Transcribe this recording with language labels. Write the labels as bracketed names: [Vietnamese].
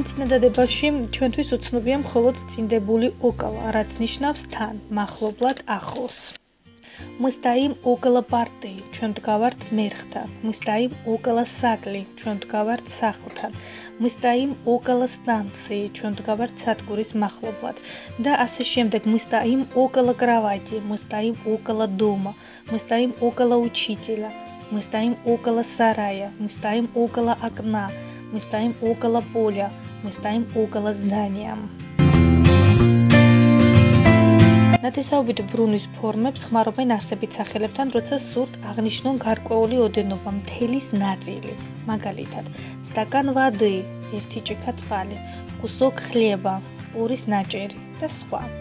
[Georgian] დადებაში ჩვენთვის უცნობია მხოლოდ წინდებული ოკალა, რაც ნიშნავს თან, მახლობლად, ახლოს. [Russian] Мы стоим около парты, [Georgian] ჩვენ დგავართ მერხთან. [Russian] Мы стоим около сакли, [Georgian] ჩვენ დგავართ სახლთან. [Russian] Мы стоим около станции, [Georgian] ჩვენ დგავართ სადგურის მახლობლად. [Russian] Да [Georgian] ასე შემდეგ, [Russian] мы стоим около кровати, мы стоим около дома, мы стоим около учителя, мы стоим около сарая, мы стоим около окна, мы стоим около поля. Мы стоим около здания. [Georgian] ნათესაობით ბრუნვის ფორმებს ხმარობენ არსებით სახელებთან, როცა სურთ აღნიშნონ გარკვეული ოდენობა, მთელის ნაწილი. მაგალითად, [Russian] стакан воды, [Georgian] ერთი ჭიქა წყალი, [Russian] кусок хлеба, [Georgian] ორის ნაჭერი და სხვა.